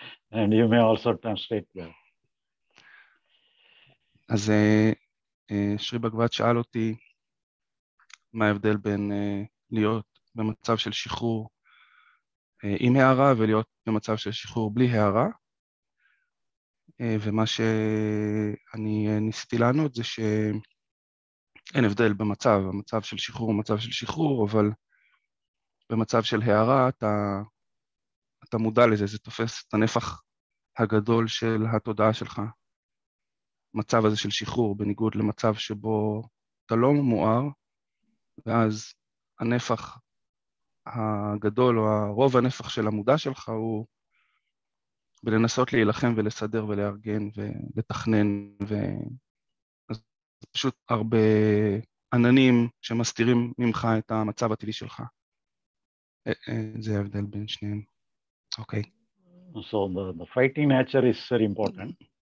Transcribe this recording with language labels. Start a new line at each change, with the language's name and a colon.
English: And you may also translate that. As Shri Bhagavat asked me,
Hebrew: מה ההבדל בין להיות במצב של שחרור עם הערה ולהיות במצב של שחרור בלי הערה. ומה שאני ניסיתי לענות זה שאין הבדל במצב, המצב של שחרור הוא מצב של שחרור, אבל במצב של הערה אתה מודע לזה, זה תופס את הנפח הגדול של התודעה שלך. מצב הזה של שחרור בניגוד למצב שבו אתה לא מואר, ואז הנפח הגדול, או הרוב הנפח של המודע שלך, הוא בלנסות להילחם ולסדר ולארגן ולתכנן, אז זה פשוט הרבה עננים שמסתירים ממך את המצב הטבעי שלך. זה ההבדל בין שניהם. אוקיי.
English: So the fighting nature is very important.